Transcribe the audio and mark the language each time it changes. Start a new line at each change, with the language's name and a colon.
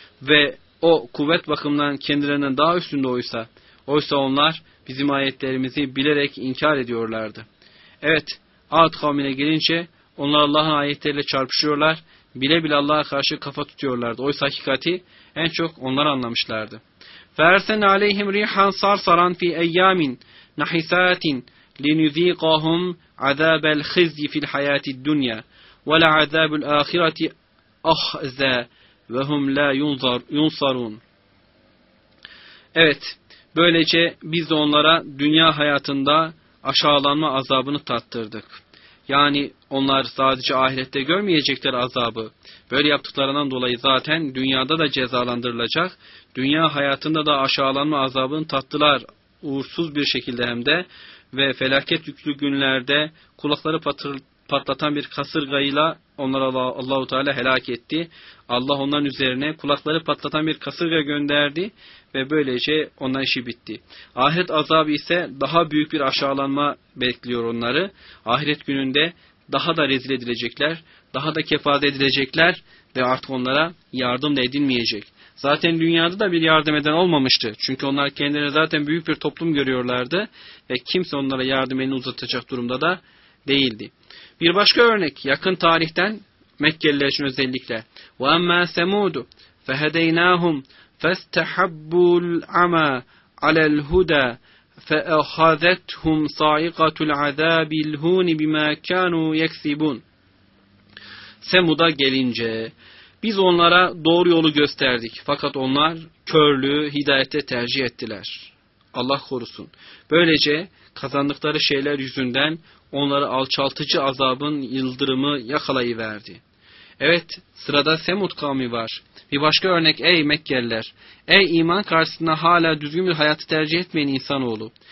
Turkish: Ve o kuvvet bakımından kendilerinden daha üstünde oysa, oysa onlar bizim ayetlerimizi bilerek inkar ediyorlardı. Evet, Ad kavmine gelince onlar Allah'ın ayetleriyle çarpışıyorlar. Bile bile Allah'a karşı kafa tutuyorlardı. Oysa hakikati en çok onlar anlamışlardı.
Arabic: فَاَرْسَنَ عَلَيْهِمْ رِيحًا صَرْصَرًا فِي اَيَّامٍ نحسات لنذيقهم عذاب الخزي في الحياة الدنيا ولعذاب الآخرة أخزى وهم لا ينصرون.
Turkish: Evet, böylece biz onlara dünya hayatında aşağılanma azabını tattırdık. Yani onlar sadece ahirette görmeyecekler azabı. Böyle yaptıklarından dolayı zaten dünyada da cezalandırılacak. Dünya hayatında da aşağılanma azabını tattılar. Uğursuz bir şekilde hem de. Ve felaket yüklü günlerde kulakları patlatan bir kasırgayla onları Allah-u Teala helak etti. Allah onların üzerine kulakları patlatan bir kasırga gönderdi. Ve böylece onların işi bitti. Ahiret azabı ise daha büyük bir aşağılanma bekliyor onları. Ahiret gününde daha da rezil edilecekler, daha da kefaze edilecekler ve artık onlara yardım da edilmeyecek. Zaten dünyada da bir yardım eden olmamıştı. Çünkü onlar kendilerini zaten büyük bir toplum görüyorlardı. Ve kimse onlara yardım elini uzatacak durumda da değildi. Bir başka örnek yakın tarihten Mekkeliler için özellikle.
Arabic: وَاَمَّا سَمُودُ فَهَدَيْنَاهُمْ فَاسْتَحَبُّوا الْعَمَى عَلَى الْهُدَى فَأَخَذَتْهُمْ صَائِقَةُ الْعَذَابِ الْهُونِ بِمَا كَانُوا يَكْسِبُونَ
Turkish: Semud'a gelince, biz onlara doğru yolu gösterdik fakat onlar körlüğü hidayete tercih ettiler. Allah korusun. Böylece kazandıkları şeyler yüzünden onları alçaltıcı azabın yıldırımı yakalayıverdi. Evet, sırada Semud kavmi var. Bir başka örnek, ey Mekkeliler, ey iman karşısında hala düzgün bir hayatı tercih etmeyen insanoğlu.